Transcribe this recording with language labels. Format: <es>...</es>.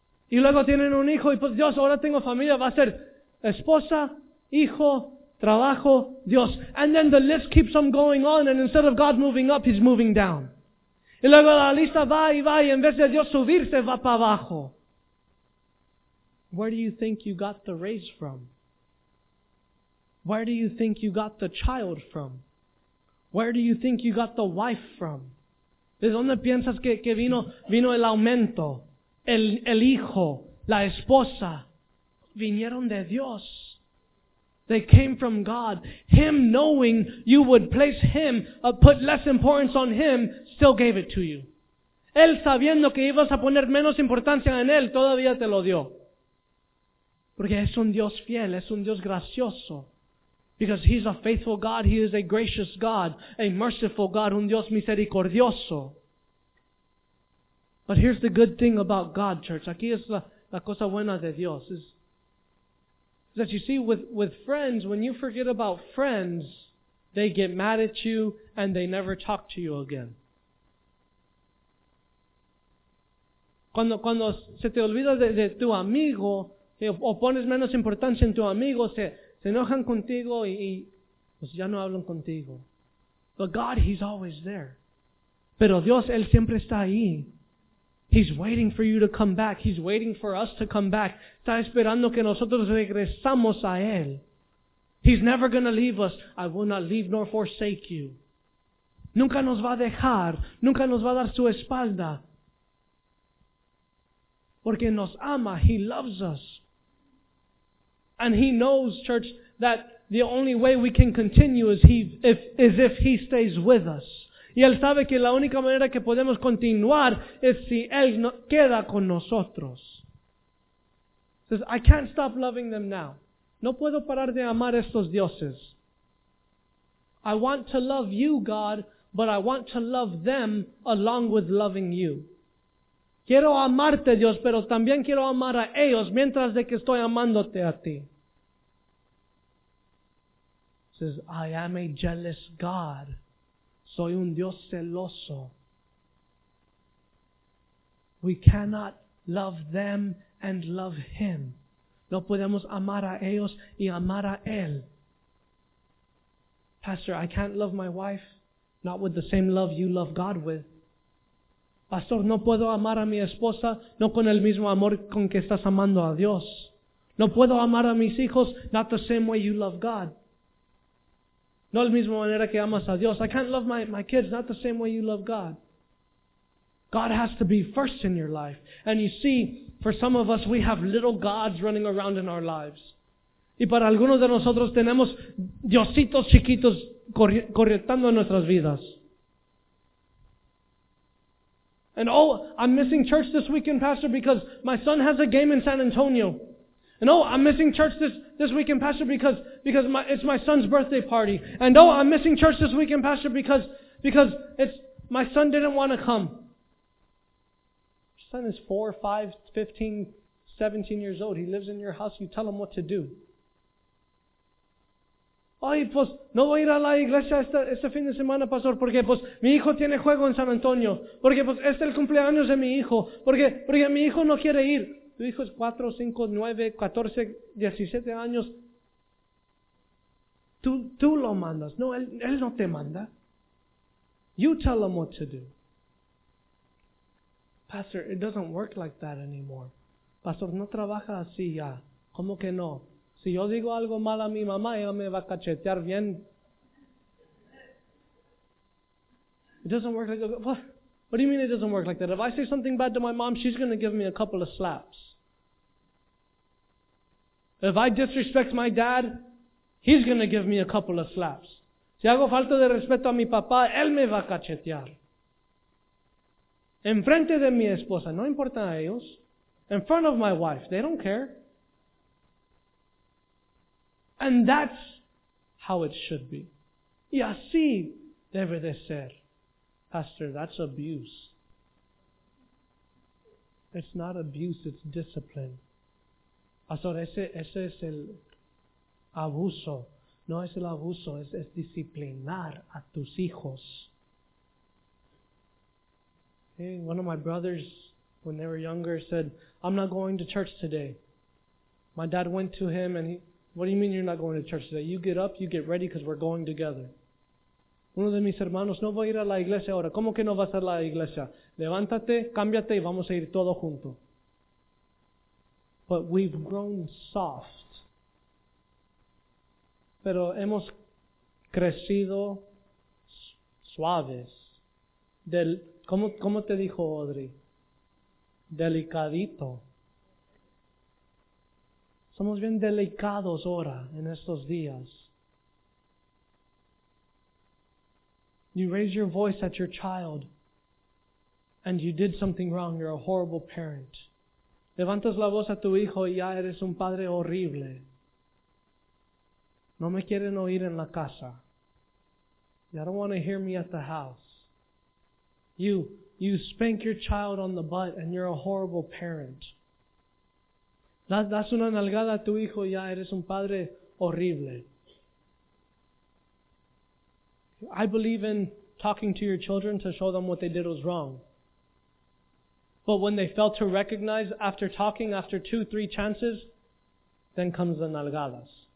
<es>Y luego tienen un hijo, y pues Dios, ahora tengo familia, va a ser esposa, hijo, trabajo, Dios.</es> <en>And then the list keeps on going on, and instead of God moving up, He's moving down.</en> <es>Y luego la lista va y va, y en vez de Dios subirse, va para abajo.</es> <en>Where do you think you got the raise from? Where do you think you got the child from? Where do you think you got the wife from?</en> <es>¿De dónde piensas que vino el aumento? El hijo, la esposa. Vinieron de Dios.</es> <en>They came from God. Him knowing you would place Him, put less importance on Him, still gave it to you.</en> <es>Él sabiendo que ibas a poner menos importancia en Él, todavía te lo dio. Porque es un Dios fiel, es un Dios gracioso.</es> <en>Because He's a faithful God, He is a gracious God, a merciful God,</en> <es>un Dios misericordioso.</es> <en>But here's the good thing about God, church.</en> <es>Aquí es la cosa buena de Dios.</es> <en>Is that you see, with friends, when you forget about friends, they get mad at you and they never talk to you again.</en> <es>Cuando se te olvida de tu amigo, o pones menos importancia en tu amigo, se enojan contigo y pues ya no hablan contigo.</es> <en>But God, He's always there.</en> <es>Pero Dios, Él siempre está ahí.</es> <en>He's waiting for you to come back. He's waiting for us to come back.</en> <es>Está esperando que nosotros regresamos a Él.</es> <en>He's never going to leave us. I will not leave nor forsake you.</en> <es>Nunca nos va a dejar. Nunca nos va a dar su espalda. Porque nos ama.</es> <en>He loves us. And He knows, church, that the only way we can continue is if He stays with us.</en> <es>Y Él sabe que la única manera que podemos continuar es si Él no, queda con nosotros.</es> <en>He says, I can't stop loving them now.</en> <es>No puedo parar de amar estos dioses.</es> <en>I want to love you, God, but I want to love them along with loving you.</en> <es>Quiero amarte, Dios, pero también quiero amar a ellos mientras de que estoy amándote a ti.</es> <en>Says, I am a jealous God.</en> <es>Soy un Dios celoso.</es> <en>We cannot love them and love Him.</en> <es>No podemos amar a ellos y amar a Él.</es> <en>Pastor, I can't love my wife, not with the same love you love God with.</en> <es>Pastor, no puedo amar a mi esposa, no con el mismo amor con que estás amando a Dios. No puedo amar a mis hijos,</es> <en>not the same way you love God.</en> <es>No la misma manera que amas a Dios.</es> <en>I can't love my kids, not the same way you love God. God has to be first in your life. And you see, For some of us, we have little gods running around in our lives.</en> <es>Y para algunos de nosotros tenemos diositos chiquitos corriendo en nuestras vidas.</es> <en>And oh, I'm missing church this weekend, Pastor, because my son has a game in San Antonio. And oh, I'm missing church this weekend, Pastor, because it's my son's birthday party. And oh, I'm missing church this weekend, Pastor, because it's my son didn't want to come. Your son is 4, 5, 15, 17 years old. He lives in your house. You tell him what to do.</en> <es>Ay, pues, no voy a ir a la iglesia este fin de semana, Pastor, porque pues mi hijo tiene juego en San Antonio. Porque pues este es el cumpleaños de mi hijo. Porque mi hijo no quiere ir. Tu hijo es 4, 5, 9, 14, 17 años. Tú lo mandas. No, él no te manda.</es> <en>You tell him what to do. Pastor, it doesn't work like that anymore.</en> <es>Pastor, no trabaja así ya. ¿Cómo que no? Si yo digo algo mal a mi mamá, ella me va a cachetear bien.</es> <en>It doesn't work like that. What do you mean it doesn't work like that? If I say something bad to my mom, she's going to give me a couple of slaps. If I disrespect my dad, he's going to give me a couple of slaps.</en> <es>Si hago falta de respeto a mi papá, él me va a cachetear. En frente de mi esposa, no importa a ellos.</es> <en>In front of my wife, they don't care. And that's how it should be.</en> <es>Y así debe de ser.</es> <en>Pastor, that's abuse. It's not abuse, it's discipline.</en> <es>Pastor, ese es el abuso. No es el abuso, es disciplinar a tus hijos.</es> <en>Hey, one of my brothers, when they were younger, said, I'm not going to church today. My dad went to him and he, what do you mean you're not going to church today? You get up, you get ready because we're going together.</en> <es>Uno de mis hermanos, no voy a ir a la iglesia ahora. ¿Cómo que no vas a la iglesia? Levántate, cámbiate y vamos a ir todo junto.</es> <en>But we've grown soft.</en> <es>Pero hemos crecido suaves. ¿Cómo te dijo Audrey? Delicadito. Somos bien delicados ahora, en estos días.</es> <en>You raise your voice at your child, and you did something wrong, you're a horrible parent.</en> <es>Levantas la voz a tu hijo y ya eres un padre horrible. No me quieren oír en la casa.</es> <en>You don't want to hear me at the house. You spank your child on the butt and you're a horrible parent.</en> <es>Das una nalgada a tu hijo y ya eres un padre horrible.</es> <en>I believe in talking to your children to show them what they did was wrong. But when they fail to recognize after talking, after 2-3 chances, then comes the nalgadas.</en>